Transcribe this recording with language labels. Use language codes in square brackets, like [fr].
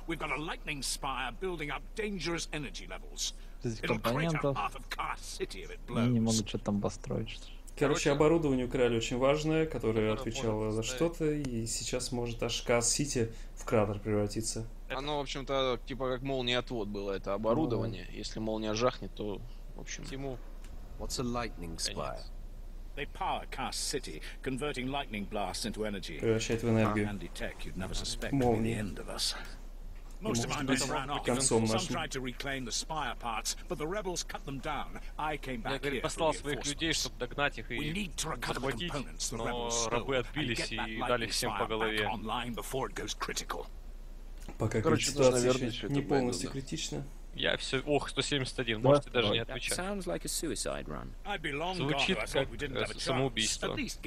[ru] Минимум что-то там построить. Короче, оборудование украли очень важное, которое отвечало за что-то. И сейчас может аж Касс-Сити в кратер превратиться. Оно, в общем-то, типа как молниеотвод было, это оборудование. Mm-hmm. Если молния жахнет, то, в общем... Тиму. [en] What's a lightning spire? They power cast city, converting lightning blasts into energy. [ru] Превращает в энергию. [en] Handy tech, you'd never suspect would be the end of us. Most of my men ran off. Some tried to reclaim the spire parts, but the rebels cut them down. I came back here. [ru] Я послал своих людей, чтобы догнать их и захватить, но рабы отбились и дали всем по голове. [en] Online before it goes critical. [ru] Пока короче, ситуация еще не полностью да. Критична. Я все... Ох, 171, да? Можете даже не отвечать. Like звучит как самоубийство.